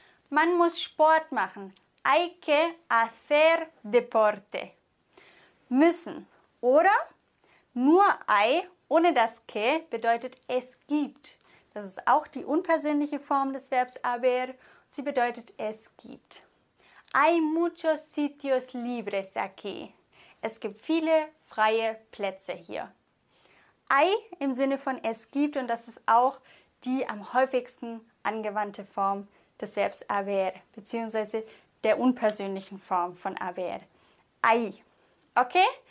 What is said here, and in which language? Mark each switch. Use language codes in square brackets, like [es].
[de] Man muss Sport machen, [es] eike hacer deporte. [de] Müssen, oder? Nur ei ohne das ke bedeutet es gibt. Das ist auch die unpersönliche Form des Verbs haber. Sie bedeutet, es gibt. [es] Hay muchos sitios libres aquí. [de] Es gibt viele freie Plätze hier. Hay im Sinne von es gibt und das ist auch die am häufigsten angewandte Form des Verbs haber, beziehungsweise der unpersönlichen Form von haber. Hay. Okay?